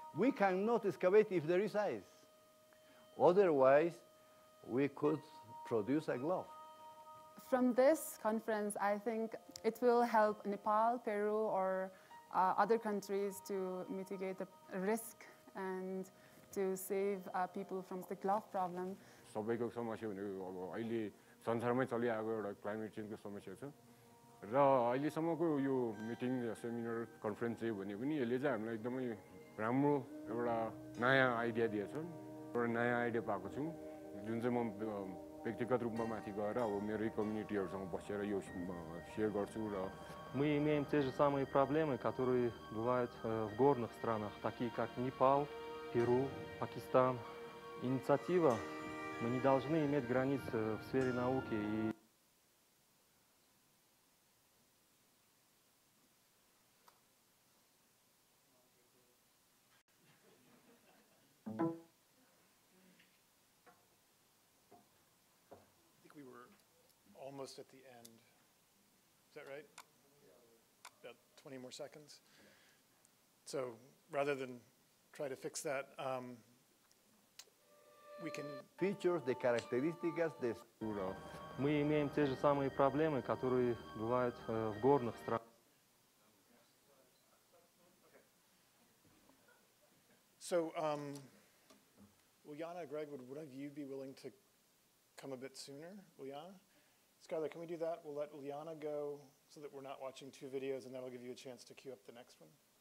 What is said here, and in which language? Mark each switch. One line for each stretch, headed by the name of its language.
English: We cannot excavate if there is ice. Otherwise, we could produce a glove. From this conference, I think it will help Nepal, Peru, or other countries to mitigate the risk and to save people from the glove problem.
Nepali: सबैको समस्या भनेको अब अहिले संसारमै चलिआएको एउटा climate चेन्जको समस्या छ र अहिले सम्मको यो मिटिङ सेमिनार कन्फरेन्स चाहिँ भने पनि यसले चाहिँ हामीलाई एकदमै राम्रो एउटा नयाँ आइडिया दिएछ एउटा नयाँ आइडिया पाएको छु जुन चाहिँ म व्यक्तिगत रूपमा माथि गएर अब मेरै कम्युनिटीहरूसँग बसेर यो सेयर गर्छु र
Russian: Мы имеем те же самые проблемы, которые бывают в горных странах, такие как Непал, Перу, Пакистан. Инициатива, мы не должны иметь границ в сфере науки. И...
English: I think we were almost at the end. Is that right? 20 more seconds. So rather than try to fix that, we can... Features, the characteristics, the structure.
Russian: Мы имеем те же самые проблемы, которые бывают в горных странах.
English: So, Uljana, Greg, would one of you be willing to come a bit sooner, Uljana? Skylar, can we do that? We'll let Uljana go so that we're not watching two videos, and that'll give you a chance to queue up the next one.